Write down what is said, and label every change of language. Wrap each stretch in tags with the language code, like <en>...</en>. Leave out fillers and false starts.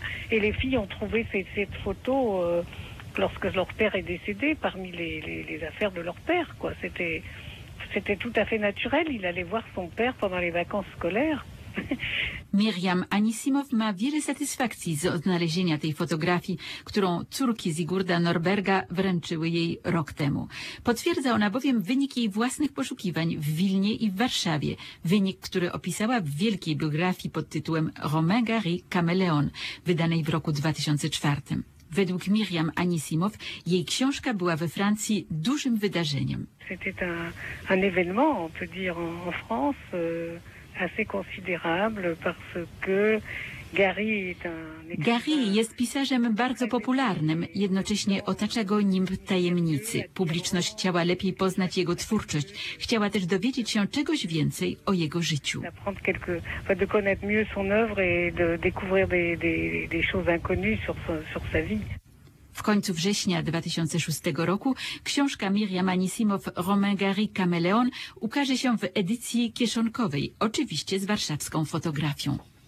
<fr>I les filles ont trouvé cette photo lorsque leur père est décédé parmi les affaires de leur père, quoi. C'était tout à fait naturel, il allait voir son père pendant les vacances scolaires.</fr> <pl>Miriam Anisimow ma wiele satysfakcji z odnalezienia tej fotografii, którą córki Sigurda Norberga wręczyły jej rok temu. Potwierdza ona bowiem wynik jej własnych poszukiwań w Wilnie i w Warszawie. Wynik, który opisała w wielkiej biografii pod tytułem Romain Gary Caméléon, wydanej w roku 2004. Według Miriam Anisimow jej książka była we Francji dużym wydarzeniem.</pl> <fr>C'était un événement, on peut dire, en France, assez considérable, parce que Gary est un...</fr> <pl>Gary jest pisarzem bardzo popularnym, jednocześnie otacza go nimb tajemnicy. Publiczność chciała lepiej poznać jego twórczość, chciała też dowiedzieć się czegoś więcej o jego życiu.</pl> <fr>De connaître mieux son œuvre et de découvrir des choses inconnues sur sa vie.</fr> <pl>W końcu września 2006 roku książka Miriam Anisimow Romain Gary Caméléon ukaże się w edycji kieszonkowej, oczywiście z warszawską fotografią.</pl>